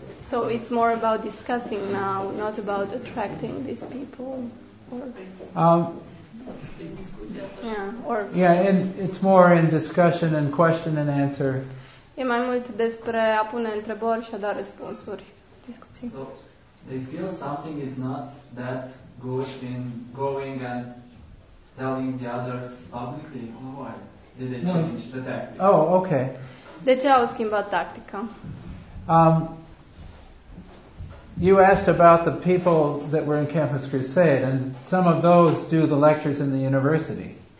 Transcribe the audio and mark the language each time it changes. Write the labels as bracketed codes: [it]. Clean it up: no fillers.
[en] So it's more about discussing now, not about attracting these people. And it's more in discussion and question and answer. [ro] E mai mult despre a pune întrebări și a da răspunsuri, discuții. [en] So they feel something is not that good in going and telling the others publicly. Why did they change the tactic? Oh, okay. [ro] De ce au schimbat tactica? [en] You asked about the people that were in Campus Crusade, and some of those do the lectures in the university.